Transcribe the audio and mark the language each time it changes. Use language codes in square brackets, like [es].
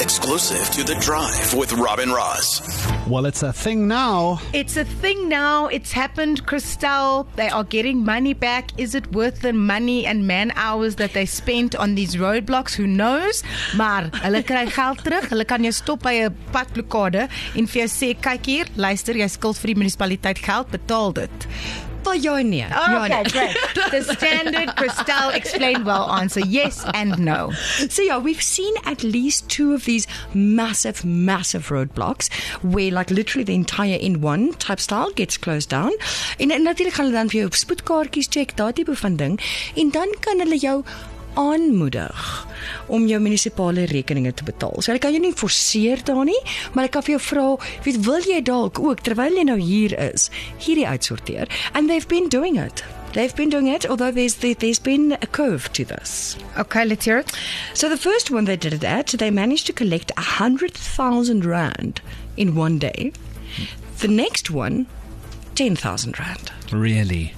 [en] Exclusive to The Drive with Robin Ross. Well, it's a thing now. It's a thing now. It's happened, Christelle. They are getting money back. Is it worth the money and man hours that they spent on these roadblocks? Who knows? [af] Maar hulle kry geld terug. Hulle kan jou stop by 'n padblokkade en vir jou sê, kyk hier, luister, jy skuld vir die munisipaliteit geld, betaal dit. [en] For your name. Oh, okay, great. The standard Christelle explained well answer, yes and no. So yeah, we've seen at least two of these massive, massive roadblocks where like literally the entire N1 type style gets closed down. [af] En natuurlik gaan hulle dan vir jou spoedkaartjies check, daardie tipe van ding. En dan kan hulle jou aanmoedig om jou munisipale rekeninge te betaal. So hulle kan jou nie forceer daar nie, maar hulle kan vir jou vra, weet, wil jy dalk ook, terwyl jy nou hier is, hierdie uitsorteer? [en] And they've been doing it. They've been doing it, although there's been a curve to this. Okay, let's hear it. So the first one they did it at, they managed to collect R100,000 in one day. The next one, R10,000. Really?